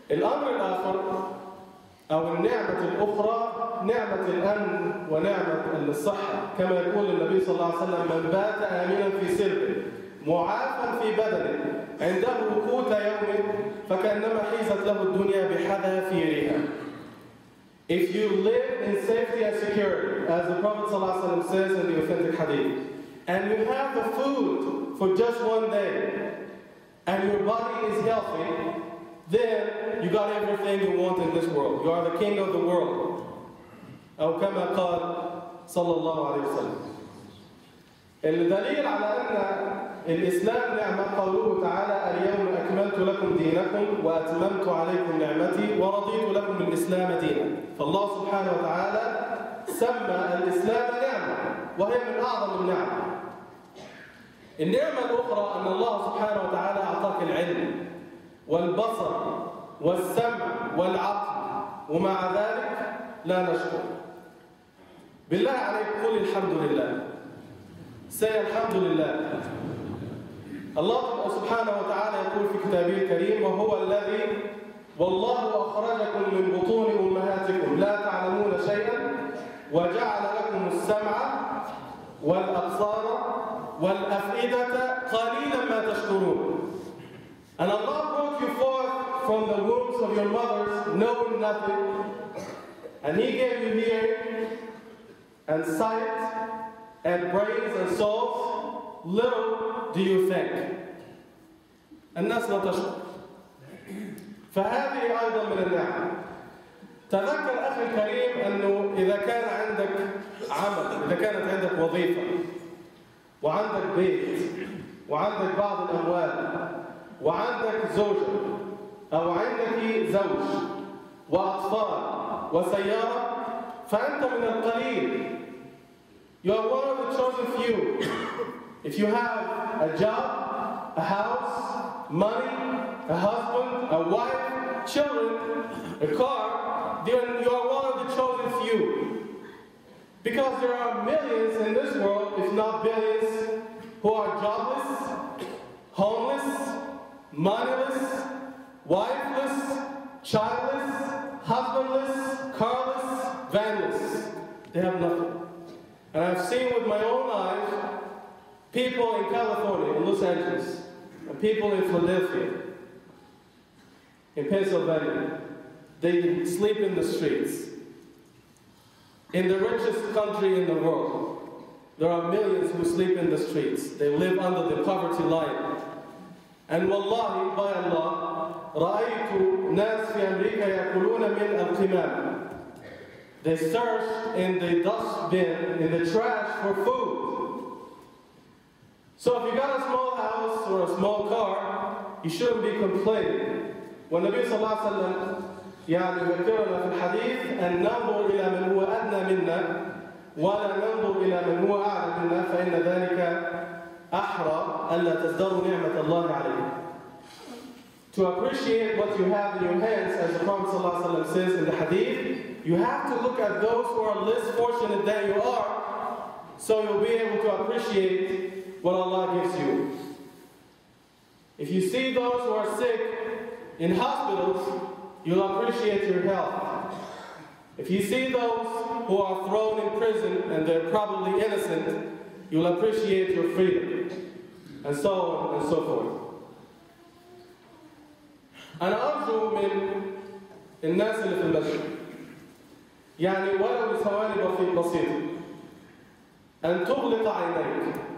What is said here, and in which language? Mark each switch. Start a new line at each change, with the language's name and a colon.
Arabic: الْأَمْرِ الْآخَرِ أو النعمة الأخرى نعمة الأمن ونعمة الصحة، كما يقول النبي صلى الله عليه وسلم: من بات آمنا في سربه معافا في بدنه عنده قوت يوم فكأنما حيزت له الدنيا بحذافيرها.
English: If you live in safety and security, as the Prophet صلى الله عليه وسلم says in the authentic hadith, and you have the food for just one day, and your body is healthy, then you got everything you want in this world. You are the king of the world.
Arabic: أو كما قال صلى الله عليه وسلم. الدليل على أن الإسلام نعمة قوله تعالى: اليوم أكملت لكم دينكم وأتممت عليكم نعمتي ورضيت لكم الإسلام دينا. فالله سبحانه وتعالى سمى الإسلام نعمة وهي من أعظم النعم. النعمة الأخرى أن الله سبحانه وتعالى أعطاك العلم والبصر والسمع والعقل، ومع ذلك لا نشكر. بالله عليك قل الحمد لله.
English: Say
Arabic: الحمد لله. الله سبحانه وتعالى يقول في كتابه الكريم: وهو الذي والله أخرجكم من بطون أمهاتكم لا تعلمون شيئا وجعل لكم السمع والأبصار والأفئدة قليلا ما تشكرون.
English: And Allah brought you forth from the wombs of your mothers knowing nothing, and He gave you hearing and sight and brains and souls. Little do you think.
Arabic: الناس لا تشكر. فهذه أيضا من النعم. تذكر أخي الكريم أنه إذا كان عندك عمل، إذا كانت عندك وظيفة وعندك بيت وعندك بعض الأموال وعندك زوجة أو عندك زوج وأطفال وسيارة، فأنت من القليل.
English: You are one of the chosen few. If you have a job, a house, money, a husband, a wife, children, a car, then you are one of the chosen few. Because there are millions in this world, if not billions, who are jobless, homeless, moneyless, wifeless, childless, husbandless, carless, vanless. They have nothing. And I've seen with my own eyes people in California, in Los Angeles, and people in Philadelphia, in Pennsylvania. They sleep in the streets. In the richest country in the world, there are millions who sleep in the streets. They live under the poverty line. And wallahi, by Allah,
Arabic: رَأَيْتُ نَاسْ فِي أَمْرِيكَ يَأْكُلُونَ مِنْ أَبْتِمَانِ.
English: They search in the dustbin, in the trash, for food. So if you got a small house or a small car, you shouldn't be complaining. When Nabi sallallahu alayhi wa sallam
Arabic: يَعْلِمَ فِي الْحَدِيثِ أَنْ نَنْظُرْ إِلَى مَنْ هُوَ أَدْنَى مِنَّا وَلَا نَنْظُرْ إِلَى مَنْ هُوَ أَعْلَى مِنَّا فَإِنَّ ذَلِكَ أحرى ألا تزدروا نعمة الله عليه.
English: To appreciate what you have in your hands, as the Prophet ﷺ says in the hadith, you have to look at those who are less fortunate than you are, so you'll be able to appreciate what Allah gives you. If you see those who are sick in hospitals, you'll appreciate your health. If you see those who are thrown in prison and they're probably innocent, you'll appreciate your freedom, and so on and so forth.
Arabic: أنا أرجو من الناس اللي في المسجد، يعني ولو بثواني بسيطة، أن تغلق عينيك.